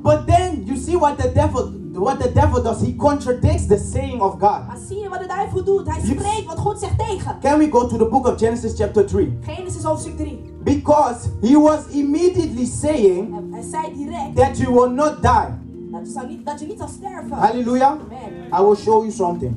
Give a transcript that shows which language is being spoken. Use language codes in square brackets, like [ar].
[en] But then you see what the devil does. He contradicts the saying of God. [nl] Maar zie je wat de duivel doet? Hij spreekt wat God zegt tegen. [en] Can we go to the book of Genesis chapter 3? [nl] Genesis hoofdstuk 3. [en] Because he was immediately saying, [nl] hij zei direct, [en] that you will not die. [nl] Dat je niet zal sterven. Hallelujah. Amen. [en] I will show you something.